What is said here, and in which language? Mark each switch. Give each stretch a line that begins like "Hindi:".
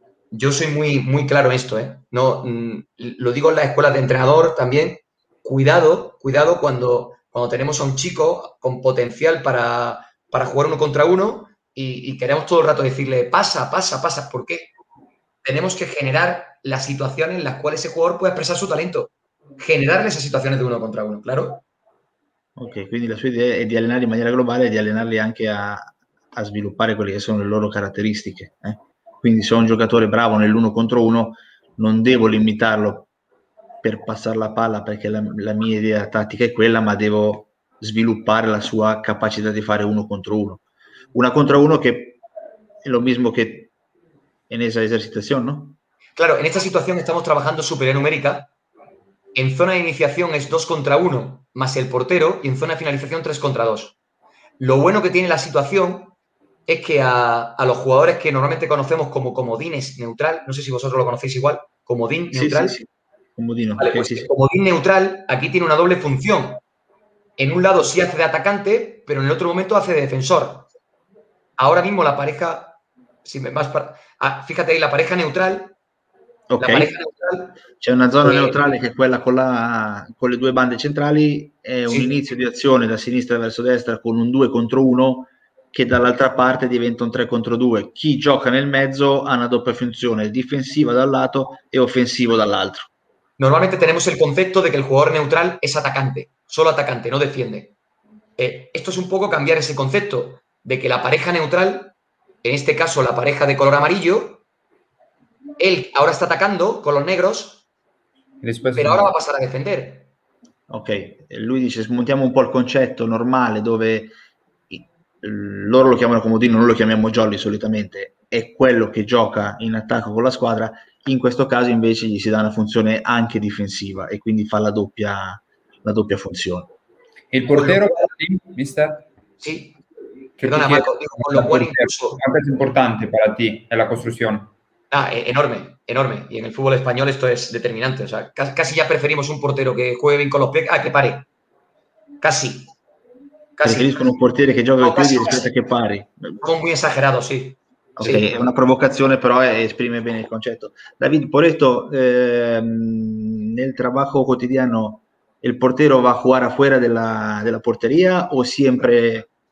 Spanish: Yo soy muy, muy claro en esto, ¿eh? No, lo digo en las escuelas de entrenador también, cuidado cuando tenemos a un chico con potencial para jugar uno contra uno y queremos todo el rato decirle pasa, ¿por qué? Tenemos que generar la situación en la cual ese jugador puede expresar su talento, generarle esas situaciones de uno contra uno, ¿claro?
Italian: Ok, quindi la sua idea è di allenare in maniera globale e di allenarli anche a sviluppare quelle che sono le loro caratteristiche, eh? Quindi se ho un giocatore bravo nell'uno contro uno, non devo limitarlo per passare la palla perché la mia idea tattica è quella, ma devo sviluppare la sua capacità di fare uno contro uno. Una contro uno che è lo stesso che in questa esercitazione, no? Claro, in questa situazione stiamo lavorando superiore numerica.
Spanish: En zona de iniciación es 2 contra 1 más el portero y en zona de finalización 3 contra 2. Lo bueno que tiene la situación es que a los jugadores que normalmente conocemos como comodines neutral, no sé si vosotros lo conocéis igual, comodín neutral. Sí, sí, sí. Comodino. Vale, okay, pues sí, sí. Comodín neutral aquí tiene una doble función. En un lado sí hace de atacante, pero en el otro momento hace de defensor. Ahora mismo la pareja, si me vas para, fíjate ahí, la pareja neutral.
Italian: Ok, c'è una zona neutrale che è quella con le due bande centrali, è un inizio di azione da sinistra verso destra con un 2 contro 1 che dall'altra parte diventa un 3 contro 2. Chi gioca nel mezzo ha una doppia funzione, difensiva da un lato e offensivo dall'altro.
Spanish: Normalmente tenemos el concepto de que el jugador neutral es atacante, solo atacante, no defiende. Esto es un poco cambiar ese concepto de que la pareja neutral, en este caso la pareja de color amarillo, él ahora está atacando con los negros, después, pero no. Ahora va a pasar a defender.
Italian: Ok, lui dice, smontiamo un po' il concetto normale dove loro lo chiamano comodino, noi lo chiamiamo jolly solitamente, è quello che gioca in attacco con la squadra, in questo caso invece gli si dà una funzione anche difensiva e quindi fa la doppia funzione. Il portero, mister? Sì. Perdona, Marco, quello buono è importante per te, è la costruzione. Ah, enorme, enorme.
Spanish: Y en el fútbol español esto es determinante. O sea, casi ya preferimos un portero que juegue bien con los pies. Ah, que pare. Casi.
Italian: Preferiscono un portiere
Spanish: que juegue con los pies y que pare. Son muy exagerados, sí. Ok, sí. Es una provocación, pero exprime bien el concepto. David, por esto, en el trabajo cotidiano, ¿el portero va a jugar afuera de la portería o siempre...?